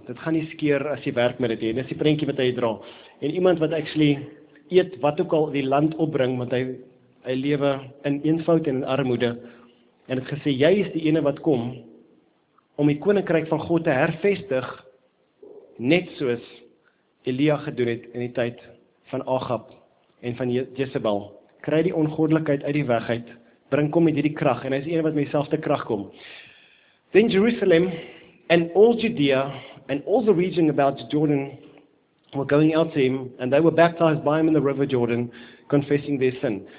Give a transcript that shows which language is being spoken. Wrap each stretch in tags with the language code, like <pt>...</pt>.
<af>Dit gaan nie skeer as jy werk met dit nie. Dit is die prentjie wat hy dra. En iemand wat actually eet wat ook al die land opbring, want hy lewe in eenvoud en in armoede, en het gesê, jy is die ene wat kom om die koninkryk van God te hervestig, net soos Elia gedoen het in die tyd van Ahab en van Jezebel. Kry die ongoddelikheid uit die weg uit. Bring kom met hierdie krag, en hy is een wat met dieselfde krag kom.</af> <en>Then Jerusalem and all Judea and all the region about Jordan were going out to him, and they were baptized by him in the river Jordan, confessing their sin.</en>